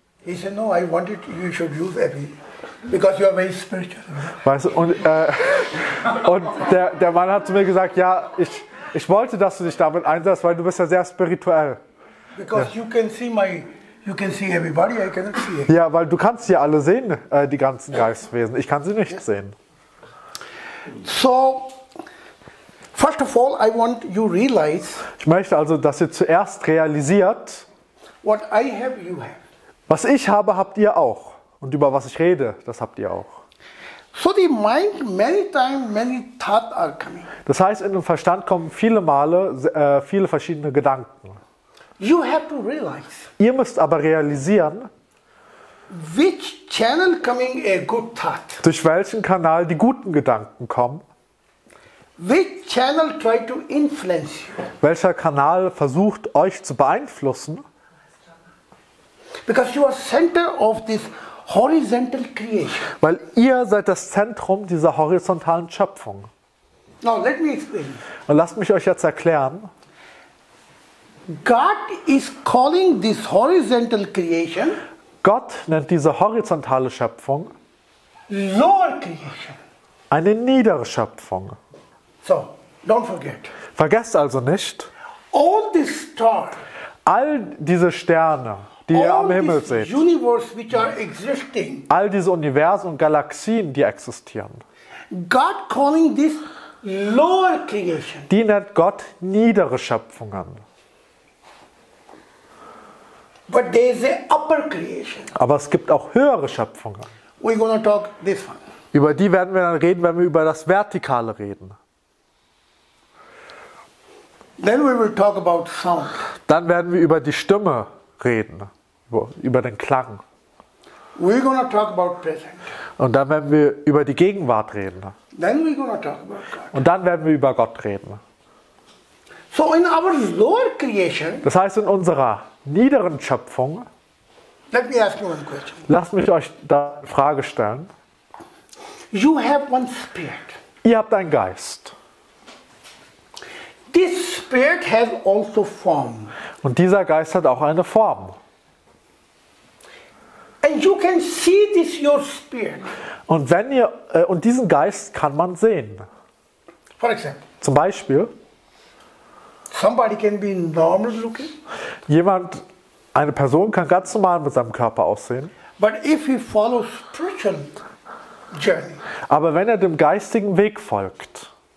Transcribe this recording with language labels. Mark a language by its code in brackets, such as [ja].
[en] He said, no, I wanted you should use every, because you are very spiritual. [de] Weißt du, und der Mann hat zu mir gesagt, ja, ich wollte, dass du dich damit einsetzt, weil du bist ja sehr spirituell. [en] Because ja. You can see everybody, I cannot see it. [de] Ja, weil du kannst ja alle sehen, die ganzen Geistwesen. Ich kann sie nicht sehen. [en] So. First of all, I want you realize. [de] Ich möchte also, dass ihr zuerst realisiert. [en] What I have, you have. [de] Was ich habe, habt ihr auch. Und über was ich rede, das habt ihr auch. [en] So the mind, many times, many thought are coming. [de] Das heißt, in dem Verstand kommen viele Male viele verschiedene Gedanken. [en] You have to realize. [de] Ihr müsst aber realisieren. [en] Which channel coming a good thought? [de] Durch welchen Kanal die guten Gedanken kommen? [en] Which channel try to influence you? [de] Welcher Kanal versucht euch zu beeinflussen? [en] Because you are center of this horizontal creation. [de] Weil ihr seid das Zentrum dieser horizontalen Schöpfung. [en] Now let me explain. [de] Und lasst mich euch jetzt erklären. [en] God is calling this horizontal creation. [de] Gott nennt diese horizontale Schöpfung [en] lower creation. [de] Eine niedere Schöpfung. [en] So, don't forget. [de] Vergesst also nicht. [en] All this star, [de] all diese Sterne. die ihr am Himmel seht. [en] Universe which are existing. [de] All diese Universen und Galaxien, die existieren. [en] God calling this lower creation. [de] Die nennt Gott niedere Schöpfungen. [en] But there is a upper creation. [de] Aber es gibt auch höhere Schöpfungen. [en] We're gonna talk this one. [de] Über die werden wir dann reden, wenn wir über das Vertikale reden. [en] Then we will talk about sound. [de] Dann werden wir über die Stimme reden, über den Klang. [en] We're gonna talk about present. [de] Und dann werden wir über die Gegenwart reden. [en] Then we're gonna talk about God. [de] Und dann werden wir über Gott reden. [en] So in our lower creation, [de] das heißt, in unserer niederen Schöpfung, [en] let me ask you one question. [de] Lass mich euch da eine Frage stellen. [en] You have one spirit. [de] Ihr habt einen Geist. [en] This spirit has also form. [de] Und dieser Geist hat auch eine Form. [en] And you can see this your spirit. [de] Und wenn ihr und diesen Geist kann man sehen. [en] For example. [de] Zum Beispiel. [en] Somebody can be normal looking. [de] Jemand, eine Person kann ganz normal mit seinem Körper aussehen. [en] But if he follows spiritual journey. [de] Aber wenn er dem geistigen Weg folgt.